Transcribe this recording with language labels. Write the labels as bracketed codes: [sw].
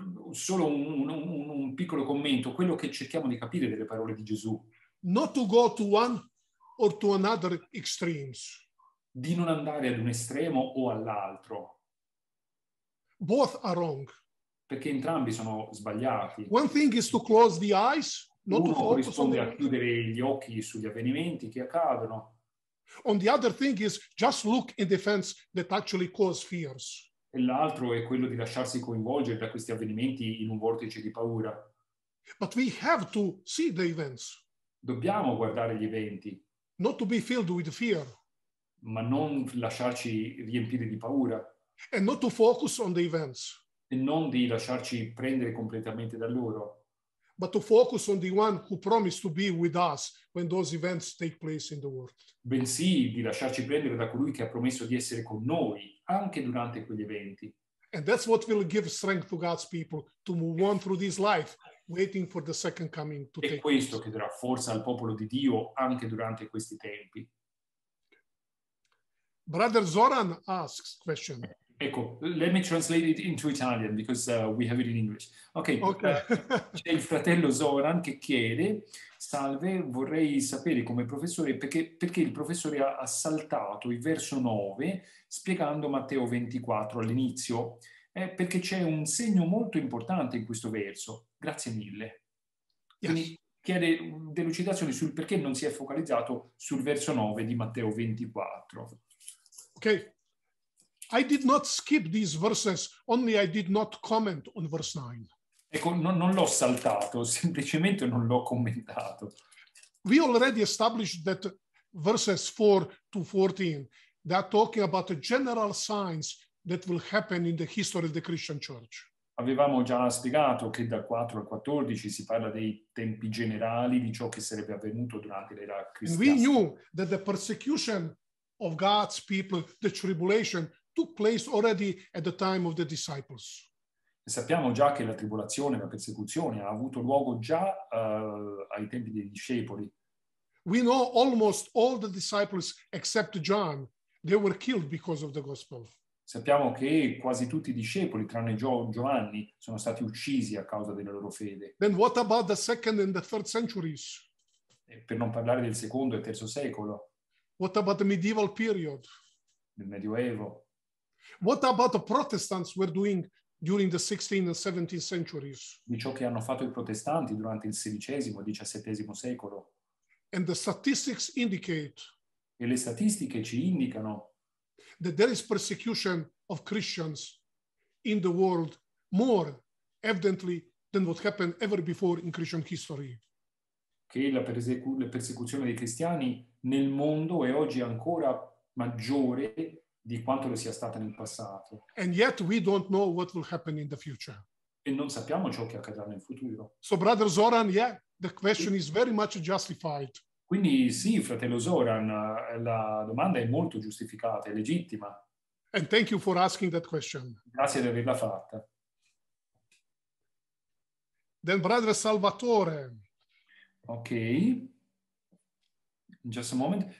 [it] Solo un piccolo commento, quello che cerchiamo di capire delle parole di Gesù. [en] Not to go to one or to another extremes. [it] Di non andare ad un estremo o all'altro. [en] Both are wrong. [it] perché entrambi sono sbagliati. [en] One thing is to close the eyes, not [it] uno [en] to focus [it] corrisponde [en] on [it] a chiudere gli occhi sugli avvenimenti che accadono. [en] On the other thing is just look in defense that actually cause fears. [it] E l'altro è quello di lasciarsi coinvolgere da questi avvenimenti in un vortice di paura. [en] But we have to see the events. [it] Dobbiamo guardare gli eventi. [en] Not to be filled with fear. [it] Ma non lasciarci riempire di paura. [en] And not to focus on the events. [it] E non di lasciarci prendere completamente da loro. [en] But to focus on the one who promised to be with us when those events take place in the world. [it] Bensì di lasciarci prendere da colui che ha promesso di essere con noi anche durante quegli eventi. [en] And that's what will give strength to God's people to move on through this life, waiting for the second coming to take place. [it] È questo che darà forza al popolo di Dio anche durante questi tempi. [en] Brother Zoran asks question. Ecco, let me translate it into Italian because we have it in English. Ok, okay. [it] C'è il fratello Zoran che chiede: salve, vorrei sapere come professore perché il professore ha saltato il verso 9 spiegando Matteo 24 all'inizio, perché c'è un segno molto importante in questo verso. Grazie mille. [en] Yes. [it] Quindi chiede delucidazioni sul perché non si è focalizzato sul verso 9 di Matteo 24. Ok. [en] I did not skip these verses, only I did not comment on verse 9. [it] Ecco, non l'ho saltato, semplicemente non l'ho commentato. [en] We already established that verses 4 to 14, they are talking about the general signs that will happen in the history of the Christian Church. [it] Avevamo già spiegato che da 4 al 14 si parla dei tempi generali di ciò che sarebbe avvenuto durante l'era cristiana. [en] We knew that the persecution of God's people, the tribulation, took place already at the time of the disciples. [it] E sappiamo già che la tribolazione, la persecuzione ha avuto luogo già ai tempi dei discepoli. [en] We know almost all the disciples except John, they were killed because of the gospel. [it] Sappiamo che quasi tutti i discepoli tranne Giovanni sono stati uccisi a causa della loro fede. [en] Then what about the second and the third centuries? [it] E per non parlare del secondo e terzo secolo. [en] What about the medieval period? [it] Il Medioevo. [en] What about the Protestants were doing during the 16th and 17th centuries? [it] Di ciò che hanno fatto i protestanti durante il XVI e XVII secolo. [en] And the statistics indicate. [it] E le statistiche ci indicano. [en] That there is persecution of Christians in the world more evidently than what happened ever before in Christian history. [it] Che la persecuzione dei cristiani nel mondo è oggi ancora maggiore di quanto lo sia stata nel passato. [en] And yet we don't know what will happen in the future. [it] E non sappiamo ciò che accadrà nel futuro. [en] So brother Zoran, yeah, the question is very much justified. [it] Quindi sì, fratello Zoran, la domanda è molto giustificata, è legittima. [en] And thank you for asking that question. [it] Grazie di averla fatta. [en] Then brother Salvatore. Ok. Just a moment.